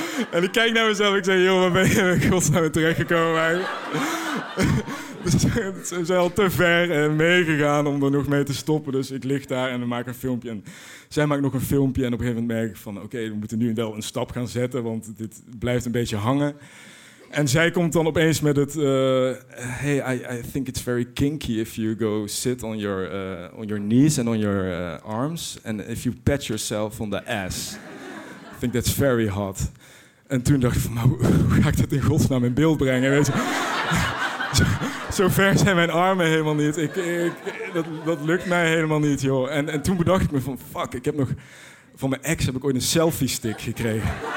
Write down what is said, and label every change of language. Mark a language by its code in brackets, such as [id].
[nl] En ik kijk naar mezelf en ik zeg, joh, waar ben je in godsnaam terechtgekomen? Ze zijn al te ver meegegaan om er nog mee te stoppen. Dus ik lig daar en we maken een filmpje. En zij maakt nog een filmpje. En op een gegeven moment merk ik van... Oké, we moeten nu wel een stap gaan zetten. Want dit blijft een beetje hangen. En zij komt dan opeens met het... [en] I think it's very kinky if you go sit on your knees and on your arms. And if you pat yourself on the ass. I think that's very hot. [nl] En toen dacht ik van... Hoe ga ik dat in godsnaam in beeld brengen? Weet je? Zo ver zijn mijn armen helemaal niet. Dat lukt mij helemaal niet, joh. En toen bedacht ik me van, fuck, ik heb nog... Van mijn ex heb ik ooit een selfie-stick gekregen.